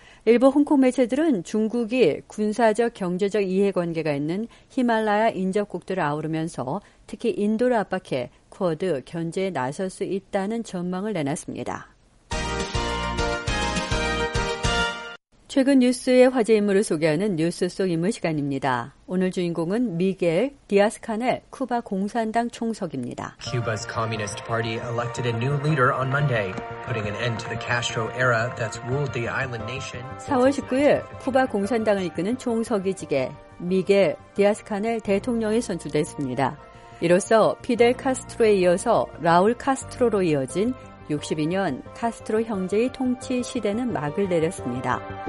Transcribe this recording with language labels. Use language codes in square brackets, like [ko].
[ko] 일부 홍콩 매체들은 중국이 군사적, 경제적 이해관계가 있는 히말라야 인접국들을 아우르면서 특히 인도를 압박해 쿼드 견제에 나설 수 있다는 전망을 내놨습니다. 최근 뉴스의 화제 인물을 소개하는 뉴스 속 인물 시간입니다. 오늘 주인공은 미겔 디아스카넬 쿠바 공산당 총석입니다. [en] Cuba's Communist Party elected a new leader on Monday, putting an end to the Castro era that's ruled the island nation. [ko] 4월 19일 쿠바 공산당을 이끄는 총서기직에 미겔 디아스카넬 대통령이 선출됐습니다. 이로써 피델 카스트로에 이어서 라울 카스트로로 이어진 62년 카스트로 형제의 통치 시대는 막을 내렸습니다.